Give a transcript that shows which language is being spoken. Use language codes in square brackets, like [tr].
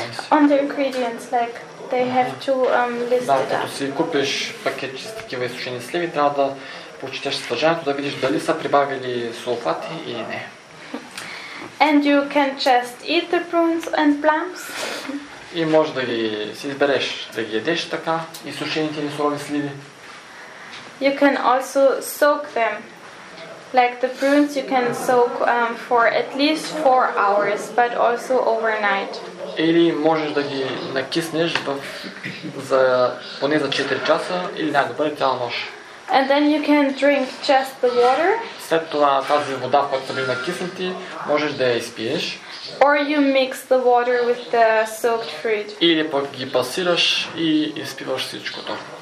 [en] On the ingredients, like they have to list it up. [bg] Да, като си купиш пакет с такива изсушени сливи, трябва да прочетеш съдържанието, да видиш дали са прибавили сулфати или не. [en] And you can just eat the prunes and plums. [bg] И можеш да ги си избереш, да ги ядеш така, изсушените или сурови сливи. [en] You can also soak them. Like the prunes, you can soak for at least 4 hours, but also overnight. [bg] Или можеш да ги накиснеш за поне за 4 часа или най-добре цяла нощ. [en] And then you can drink just the water. [bg] След това тази вода, която са били накиснати, можеш да я изпиеш. [en] Or you mix the water with the soaked fruit. [bg] Или пък ги пасираш и изпиваш всичкото.